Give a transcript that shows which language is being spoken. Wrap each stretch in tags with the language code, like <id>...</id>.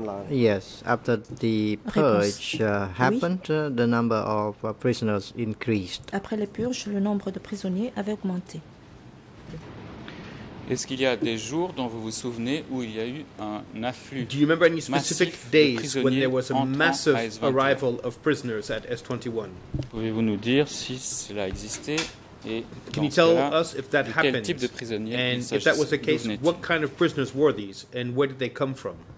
<en>Yes, after the purge happened, the number of prisoners increased.</en> <fr>Après les purges, le nombre de prisonniers avait augmenté. Est-ce qu'il y a des jours dont vous vous souvenez où il y a eu un afflux?</fr> <en>Do you remember any specific days when there was a massive arrival of prisoners at S21?</en> <fr>Pouvez-vous nous dire si cela existait?</fr> <en>Can you tell us if that happened, and if that was the case, what kind of prisoners were these, and where did they come from?</en>